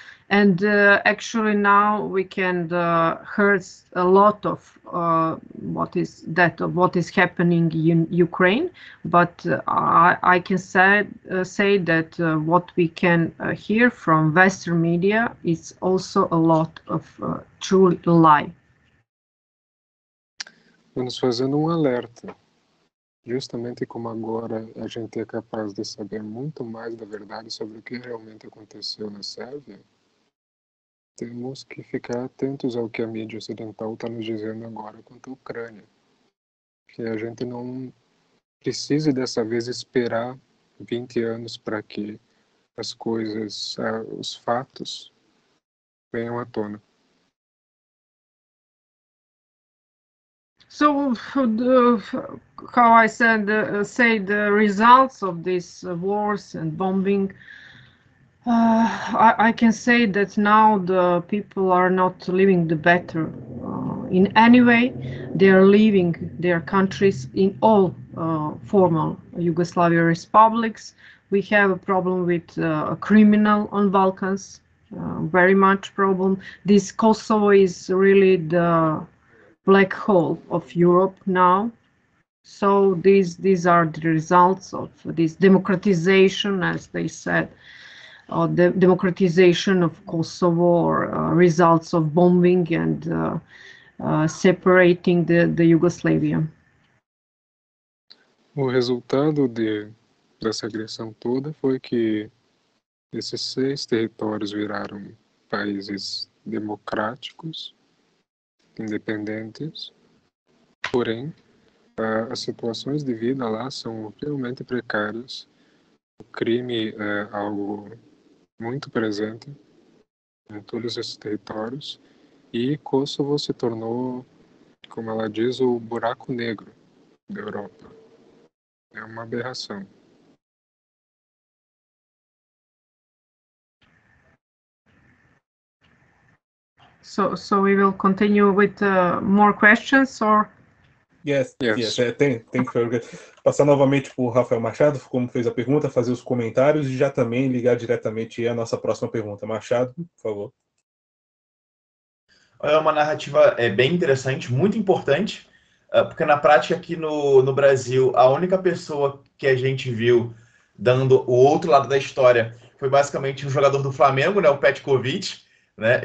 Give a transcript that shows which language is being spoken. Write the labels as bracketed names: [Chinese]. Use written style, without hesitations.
[English] And actually now we can hear a lot of what is happening in Ukraine, but I can say that what we can hear from Western media is also a lot of true lie. [Portuguese] Vamos fazendo alerta, justamente como agora a gente é capaz de saber muito mais da verdade sobre o que realmente aconteceu na Sérvia. Temos que ficar atentos ao que a mídia ocidental está nos dizendo agora quanto à Ucrânia. Que a gente não precisa dessa vez esperar 20 anos para que as coisas, os fatos, venham à tona. [English] So, how I said, say the results of these wars and bombing. I can say that now the people are not living the better in any way. They are leaving their countries in all former Yugoslavia republics. We have a problem with a criminal on Balkans. very much problem. This Kosovo is really the black hole of Europe now. So these are the results of this democratization, as they said, the democratization of Kosovo, or results of bombing and separating the Yugoslavia. [Portuguese] O resultado dessa agressão toda foi que esses seis territórios viraram países democráticos, independentes, porém, as situações de vida lá são realmente precárias, o crime é algo muito presente em todos esses territórios, e Kosovo se tornou, como ela diz, o buraco negro da Europa. É uma aberração. [English] So we will continue with more questions, or? Yes. Thank you. [Portuguese] Passar novamente para o Raphael Machado, como fez a pergunta, fazer os comentários e já também ligar diretamente a nossa próxima pergunta. Machado, por favor. É uma narrativa bem interessante, muito importante, porque na prática aqui no Brasil, a única pessoa que a gente viu dando o outro lado da história foi basicamente um jogador do Flamengo, né, o Petkovic. Né?